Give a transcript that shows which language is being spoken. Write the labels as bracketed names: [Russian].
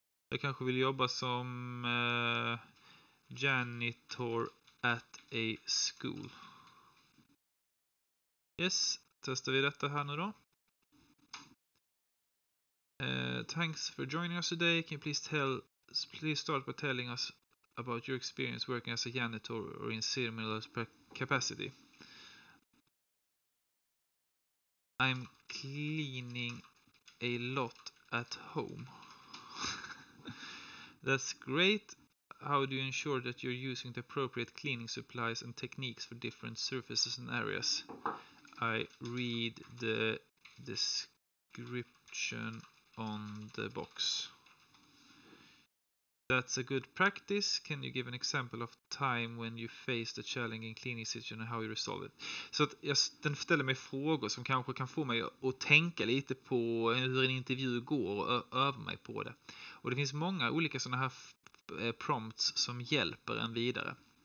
[Swedish] Jag kanske vill jobba som janitor [English] at a school. [Swedish] Yes, testar vi detta här nu då. [English] Thanks for joining us today. Can you please start by telling us about your experience working as a janitor or in similar capacity? I'm cleaning a lot at home. That's great. How do you ensure that you're using the appropriate cleaning supplies and techniques for different surfaces and areas? I read the description on the box. That's a good practice. Can you give an example of time when you faced a challenging cleaning situation and how you resolved it? [Swedish] Så att den ställer mig frågor som kanske kan få mig att tänka lite på hur en intervju går och öva mig på det. Och det finns många olika sådana här prompts som hjälper en vidare.